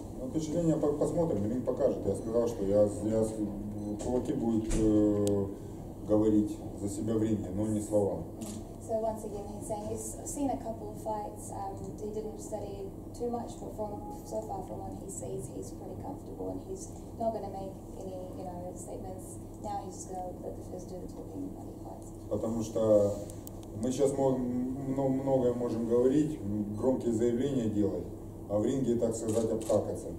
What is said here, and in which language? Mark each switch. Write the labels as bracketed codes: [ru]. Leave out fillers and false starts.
[ru] Впечатление посмотрим, ринг покажет. Я сказал, что я кулаки будут говорить за себя в ринге, но не слова. [en] So once again, he's saying he's seen a couple of fights. He didn't study too much, but so far from what he sees, he's pretty comfortable, and he's not going to make any, you know, statements. Now he's just going to let the fizz do the talking when he fights. [ru] Потому что мы сейчас многое можем говорить, громкие заявления делать, а в ринге, так сказать, обтакаться.